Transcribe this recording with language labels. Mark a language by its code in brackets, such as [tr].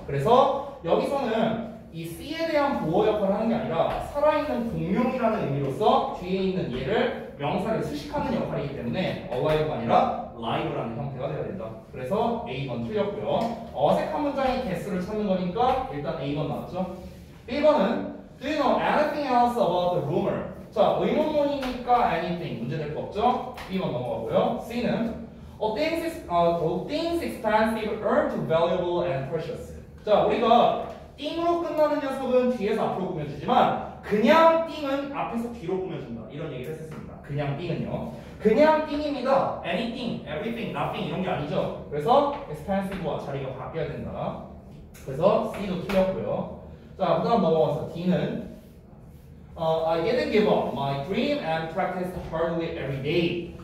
[ko] 그래서 여기서는 이 C에 대한 보어 역할을 하는 게 아니라 살아있는 공룡이라는 의미로서 뒤에 있는 얘를 명사를 수식하는 역할이기 때문에 alive가 아니라 live라는 형태가 되어야 된다. 그래서 A번 틀렸고요. 어색한 문장의 개수를 찾는 거니까 일단 A번 나왔죠. B번은 [en] Do you know anything else about the rumor? [ko] 자, 의문문이니까 anything 문제 될 거 없죠? B번 넘어가고요. C는 [en] things expensive are too valuable and precious. [ko] 자, 우리가 띵으로 끝나는 녀석은 뒤에서 앞으로 꾸며주지만 그냥 띵은 앞에서 뒤로 꾸며준다 이런 얘기를 했었습니다. 그냥 띵은요, 그냥 띵입니다. Anything, everything, nothing 이런 게 아니죠. 그래서 expensive와 자리가 바뀌어야 된다. 그래서 C도 틀렸고요. 자, 그 다음 넘어가서 D는 [en] I didn't give up my dream and practiced hardly every day.